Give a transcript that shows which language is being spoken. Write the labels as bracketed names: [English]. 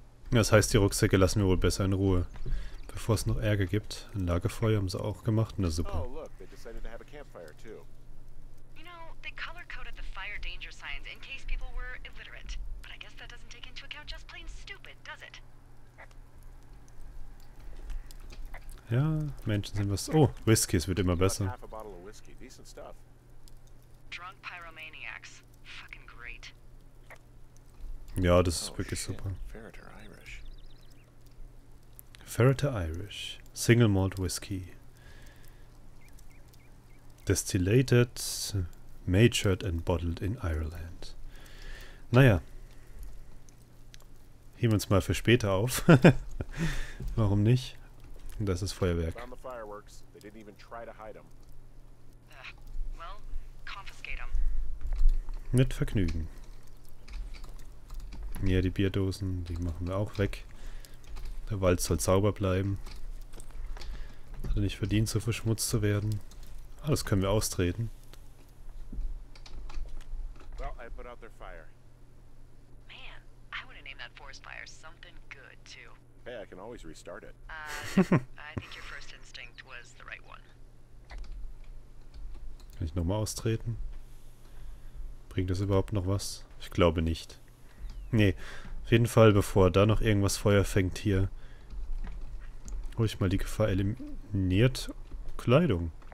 [German] Das heißt, die Rucksäcke lassen wir wohl besser in Ruhe. Bevor es noch Ärger gibt. Ein Lagerfeuer haben sie auch gemacht. Na super. [English] You know, they color-coded the fire danger signs in case people were illiterate. But I guess that doesn't take into account just plain stupid, does it? [German] Ja, Menschen sind was. Oh, Whisky, es wird immer besser. [English] Half a bottle of whiskey, decent stuff. Drunk pyromaniacs. Fucking great. [German] Ja, das ist wirklich super. [English] Ferreter Irish. Ferreter Irish. Single malt whiskey. Destillated, matured and bottled in Ireland. [German] Naja. Heben wir uns mal für später auf. Warum nicht? Das ist Feuerwerk. [English] Found the fireworks. They didn't even try to hide them. Well, confiscate them. [German] Mit Vergnügen. Ja, die Bierdosen, die machen wir auch weg. Der Wald soll sauber bleiben. Hat er nicht verdient, so verschmutzt zu werden. Ah, das können wir austreten. [English] Well, I put out their fire. Man, I would have named that forest fire something good, too. Hey, I can always restart it. I think your first instinct was the right one. [German] Kann ich nochmal austreten? Bringt das überhaupt noch was? Ich glaube nicht. Nee, auf jeden Fall, bevor da noch irgendwas Feuer fängt hier, hole ich mal die Gefahr eliminiert. Kleidung.